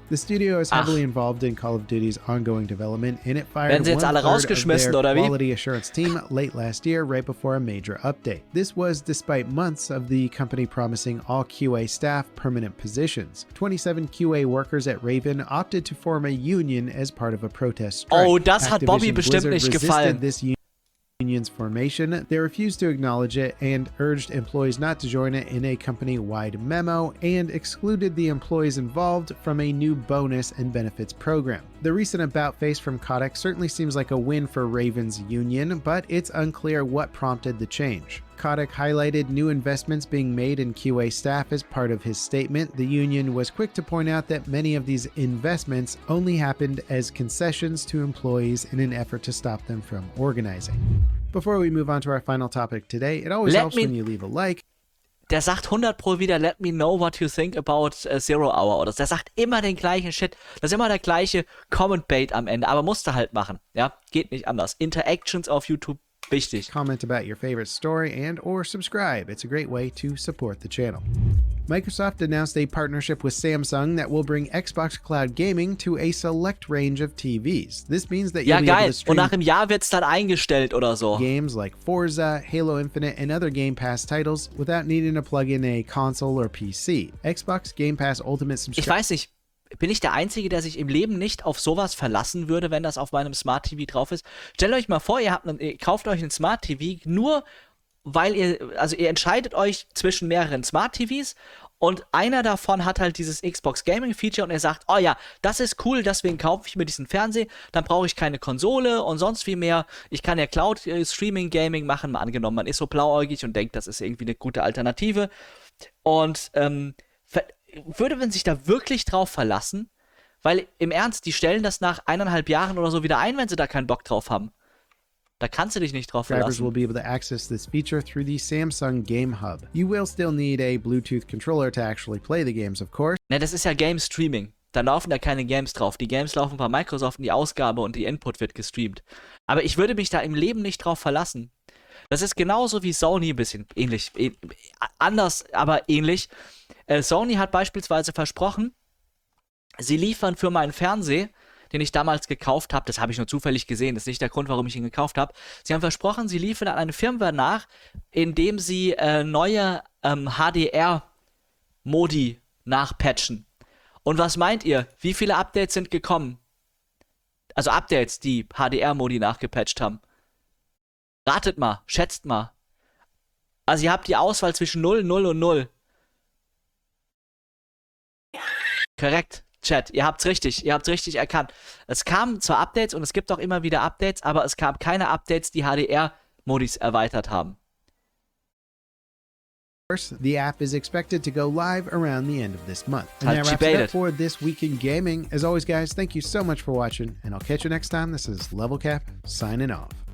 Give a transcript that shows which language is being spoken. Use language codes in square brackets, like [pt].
[en] The studio is heavily involved in Call of Duty's ongoing development, and it fired one third of their quality assurance team late last year, right before a major update. This was despite months of the company promising all QA staff permanent positions. 27 QA workers at Raven opted to form a union as part of a protest strike. [de] Oh, das hat Bobby bestimmt nicht gefallen. [en] Union's formation, they refused to acknowledge it and urged employees not to join it in a company-wide memo and excluded the employees involved from a new bonus and benefits program. The recent about-face from Kotick certainly seems like a win for Raven's union, but it's unclear what prompted the change. Kotick highlighted new investments being made in QA staff as part of his statement. The union was quick to point out that many of these investments only happened as concessions to employees in an effort to stop them from organizing. Before we move on to our final topic today, it always helps when you leave a like. [de] Der sagt 100% wieder, [en] let me know what you think about Zero Hour. [de] Oder der sagt immer den gleichen Shit. Das ist immer der gleiche Comment Bait am Ende, aber musste halt machen. Ja, geht nicht anders. Interactions auf YouTube. Wichtig. [en] Comment about your favorite story and or subscribe. It's a great way to support the channel. Microsoft announced a partnership with Samsung that will bring Xbox Cloud Gaming to a select range of TVs. This means that you'll be able to stream [de] und nach einem Jahr wird's dann eingestellt oder so. [en] Games like Forza, Halo Infinite, and other Game Pass titles without needing to plug in a console or PC. Xbox Game Pass Ultimate [de] Ich weiß nicht. Bin ich der Einzige, der sich im Leben nicht auf sowas verlassen würde, wenn das auf meinem Smart-TV drauf ist? Stellt euch mal vor, ihr kauft euch ein Smart-TV, nur weil ihr entscheidet euch zwischen mehreren Smart-TVs Und einer davon hat halt dieses Xbox Gaming Feature und er sagt, oh ja, das ist cool, deswegen kaufe ich mir diesen Fernseher, dann brauche ich keine Konsole und sonst viel mehr. Ich kann ja Cloud Streaming Gaming machen, mal angenommen, man ist so blauäugig und denkt, das ist irgendwie eine gute Alternative. Und würde man sich da wirklich drauf verlassen? Weil im Ernst, die stellen das nach 1,5 Jahren oder so wieder ein, wenn sie da keinen Bock drauf haben. Da kannst du dich nicht drauf verlassen. [en] Drivers will be able to access this feature through the Samsung Game Hub. You will still need a Bluetooth controller to actually play the games, of course. [de] Ne, das ist ja Game Streaming. Da laufen da keine Games drauf. Die Games laufen bei Microsoft und die Ausgabe und die Input wird gestreamt. Aber ich würde mich da im Leben nicht drauf verlassen. Das ist genauso wie Sony ein bisschen ähnlich. Anders, aber ähnlich. Sony hat beispielsweise versprochen, sie liefern für meinen Fernseher, den ich damals gekauft habe, das habe ich nur zufällig gesehen, das ist nicht der Grund, warum ich ihn gekauft habe. Sie haben versprochen, sie liefern an eine Firmware nach, indem sie neue HDR-Modi nachpatchen. Und was meint ihr? Wie viele Updates sind gekommen? Also Updates, die HDR-Modi nachgepatcht haben. Ratet mal, schätzt mal. Also ihr habt die Auswahl zwischen 0, 0 und 0. Korrekt. Chat, ihr habt's richtig erkannt. Es kamen zwar Updates und es gibt auch immer wieder Updates, aber es kam keine Updates, die HDR-Modis erweitert haben. [en] The app is expected to go live around the end of this month. And that wraps it up for This Week in Gaming. As always, guys, thank you so much for watching and I'll catch you next time. This is Level Cap signing off.